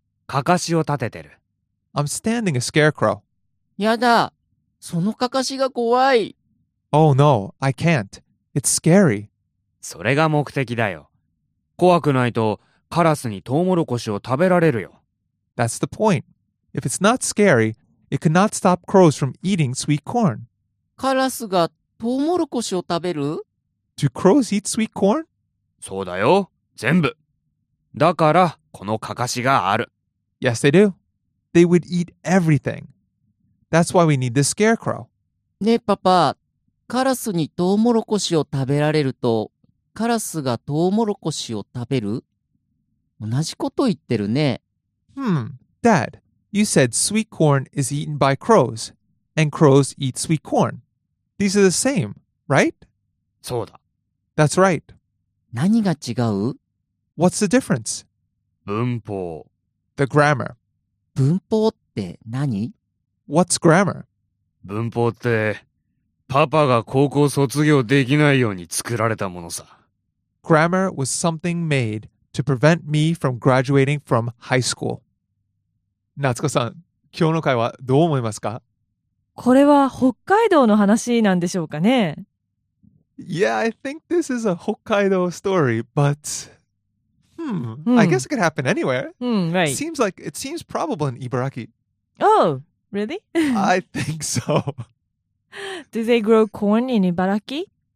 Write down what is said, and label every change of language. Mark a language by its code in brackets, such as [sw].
[ja] カカシを立ててる。 [en] I'm standing a scarecrow. [ja] やだ、そのカカシが怖い。 [en] Oh no, I can't. It's scary. [ja] それが目的だよ。怖くないとカラスにトウモロコシを食べられるよ。 [en] That's the point. If it's not scary, it could not stop crows from eating sweet corn. [ja] カラスがトウモロコシを食べる？ [en] Do crows eat sweet corn? [ja] そうだよ、全部。だからこのカカシがある。 [en] Yes, they do. They would eat everything. That's why we need the scarecrow. [ja] ねえ、パパ、カラスにトウモロコシを食べられると、カラスがトウモロコシを食べる？同じこと言ってるね。 [en] Dad. You said sweet corn is eaten by crows, and crows eat sweet corn. These are the same, right? [ja] そうだ。 [en] That's right. [ja] 何が違う？ [en] What's the difference? [ja] 文法。 [en] The grammar. [ja] 文法って何？ [en] What's grammar? [ja] 文法って、パパが高校卒業できないように作られたものさ。 [en] Grammar was something made to prevent me from graduating from high school. [ja] 夏子さん、今日の会話どう思いますか？これは北海道の話なんでしょうかね？ [en] Yeah, I think this is a Hokkaido story, but... I guess it could happen anywhere. Right. It seems probable in Ibaraki. Oh, really? I think so. Do they grow corn in Ibaraki?